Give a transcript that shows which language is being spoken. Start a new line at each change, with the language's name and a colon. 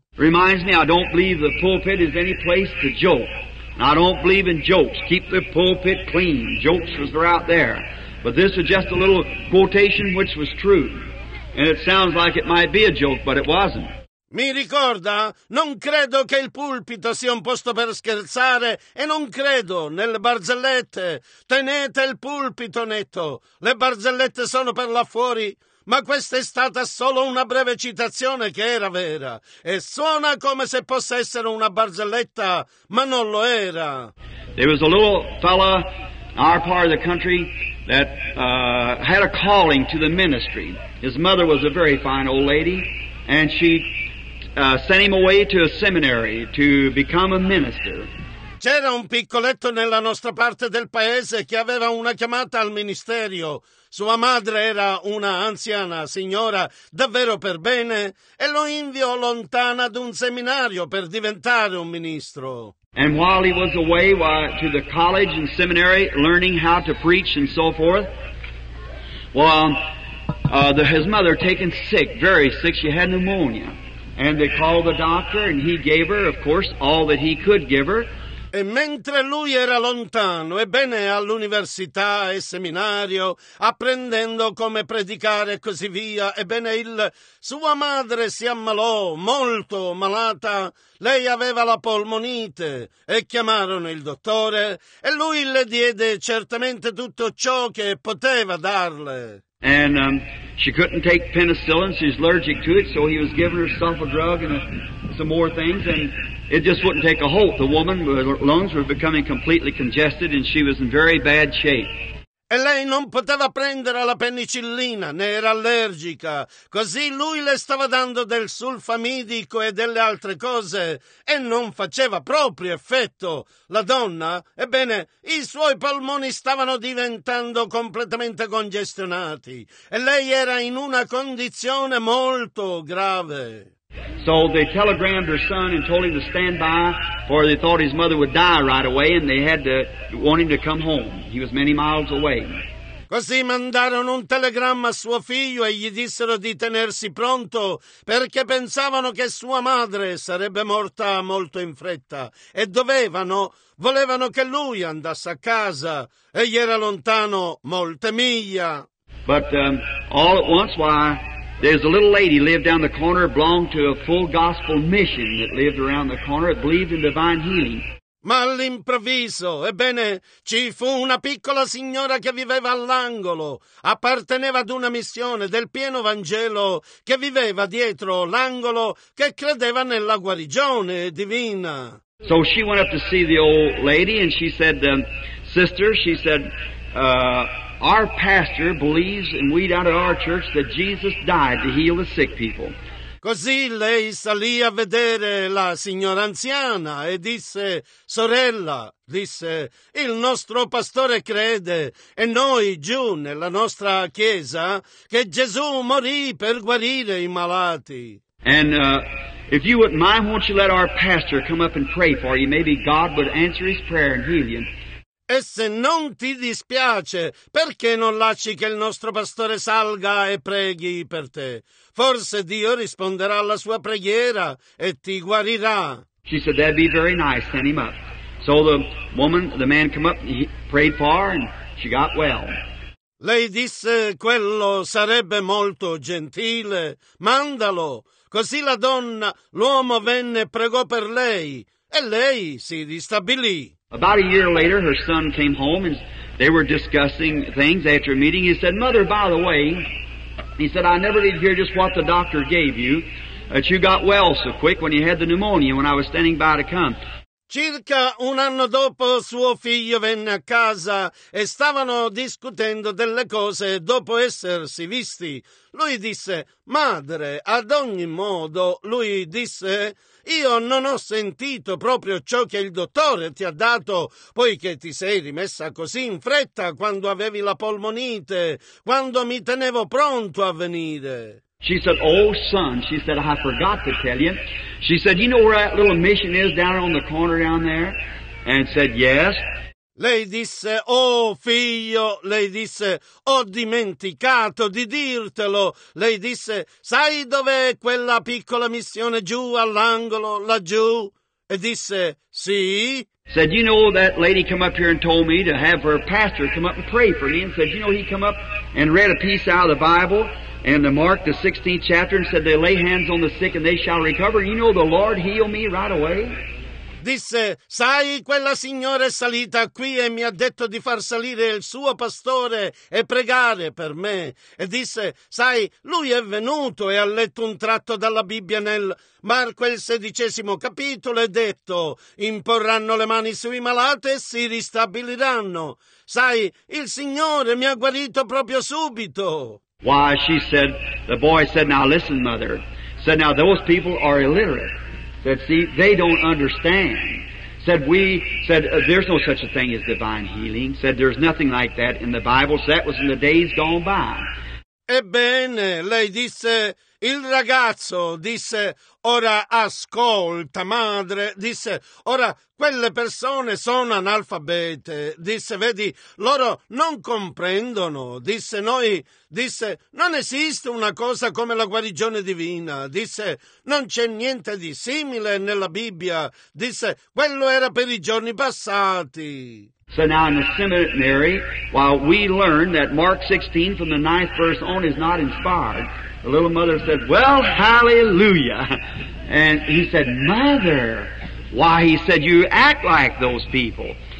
English: Reminds me, I don't believe the pulpit is any place to joke. I don't believe in jokes. Keep the pulpit clean. Jokes was out there. But this is just a little quotation which was true. And it sounds like it might be a joke, but it wasn't.
Italian: Mi ricorda, non credo che il pulpito sia un posto per scherzare e non credo nelle barzellette. Tenete il pulpito netto, le barzellette sono per là fuori, ma questa è stata solo una breve citazione che era vera e suona come se possa essere una barzelletta, ma non lo era.
English: There was a little fella in our part of the country that had a calling to the ministry. His mother was a very fine old lady and she sent him away to a seminary to become a minister.
Italian: C'era un piccoletto nella nostra parte del paese che aveva una chiamata al ministerio. Sua madre era una anziana signora davvero per bene e lo inviò lontana ad un seminario per diventare un ministro.
English: And while he was away to the college and seminary learning how to preach and so forth, his mother taken sick, very sick, she had pneumonia. And they called the doctor, and he gave her, of course, all that he could give her.
Italian: E mentre lui era lontano, ebbene all'università e seminario, apprendendo come predicare e così via, ebbene sua madre si ammalò, molto malata, lei aveva la polmonite, e chiamarono il dottore, e lui le diede certamente tutto ciò che poteva darle.
English: And she couldn't take penicillin, she's allergic to it, so he was giving herself a drug and some more things, and it just wouldn't take a hold. The woman, her lungs were becoming completely congested, and she was in very bad shape.
Italian: E lei non poteva prendere la penicillina, ne era allergica. Così lui le stava dando del sulfamidico e delle altre cose, e non faceva proprio effetto. La donna, ebbene, i suoi polmoni stavano diventando completamente congestionati, e lei era in una condizione molto grave.
English: So they telegrammed her son and told him to stand by, for they thought his mother would die right away, and they had to want him to come home. He was many miles away.
Italian: Così mandarono un telegramma a suo figlio e gli dissero di tenersi pronto perché pensavano che sua madre sarebbe morta molto in fretta e volevano che lui andasse a casa. Egli era lontano molte miglia.
English: But all at once, why? There's a little lady lived down the corner, belonged to a full gospel mission that lived around the corner, that believed in divine healing.
Italian: Ma all'improvviso, ebbene, ci fu una piccola signora che viveva all'angolo, apparteneva ad una missione del pieno Vangelo, che viveva dietro l'angolo, che credeva nella guarigione divina.
English: So she went up to see the old lady and she said, sister, she said, our pastor believes, and we down at our church, that Jesus died to heal the sick people.
Italian: Così lei salì a vedere la signora anziana e disse, sorella, disse, il nostro pastore crede, e noi giù nella nostra chiesa, che Gesù morì per guarire i malati.
English: And if you wouldn't mind, won't you let our pastor come up and pray for you? Maybe God would answer his prayer and heal you.
Italian: E se non ti dispiace, perché non lasci che il nostro pastore salga e preghi per te? Forse Dio risponderà alla sua preghiera e ti guarirà.
English: She said, that'd be very nice, send him up. So the man come up, he prayed for her, and she got well.
Italian: Lei disse, quello sarebbe molto gentile, mandalo. Così l'uomo venne e pregò per lei, e lei si ristabilì.
English: About a year later, her son came home and they were discussing things after a meeting. He said, mother, by the way, he said, I never did hear just what the doctor gave you. that you got well so quick when you had the pneumonia when I was standing by to come.
Italian: Circa un anno dopo suo figlio venne a casa e stavano discutendo delle cose dopo essersi visti. Lui disse, madre, ad ogni modo, lui disse, io non ho sentito proprio ciò che il dottore ti ha dato, poiché ti sei rimessa così in fretta quando avevi la polmonite, quando mi tenevo pronto a venire.
English: She said, oh, son, she said, I forgot to tell you. She said, you know where that little mission is down on the corner down there? And said, yes.
Italian: Lei disse, oh, figlio, lei disse, ho dimenticato di dirtelo. Lei disse, sai dov'è quella piccola missione giù all'angolo, laggiù? E disse, sì.
English: Said, you know that lady come up here and told me to have her pastor come up and pray for me. And said, you know, he come up and read a piece out of the Bible. And the Mark, the 16th chapter, and said, they lay hands on the sick and they shall recover. You know, the Lord healed me right away.
Italian: Disse, sai, quella signora è salita qui e mi ha detto di far salire il suo pastore e pregare per me. E disse, sai, lui è venuto e ha letto un tratto dalla Bibbia nel Marco, il 16° capitolo, e detto, imporranno le mani sui malati e si ristabiliranno. Sai, il Signore mi ha guarito proprio subito.
English: Why, she said, the boy said, now listen, mother. Said, now those people are illiterate. Said, see, they don't understand. Said, we, said, there's no such a thing as divine healing. Said, there's nothing like that in the Bible. So that was in the days gone by.
Italian: Ebbene, lei disse, il ragazzo disse, ora ascolta, madre, disse, ora quelle persone sono analfabete, disse, vedi, loro non comprendono, disse, noi, disse, non esiste una cosa come la guarigione divina, disse, non c'è niente di simile nella Bibbia, disse, quello era per i giorni passati.
English: So now in the seminary, while we learn that Mark 16 from the 9th verse on is not inspired, the little mother said, well, hallelujah. And he said, mother, why, he said, you act like those people.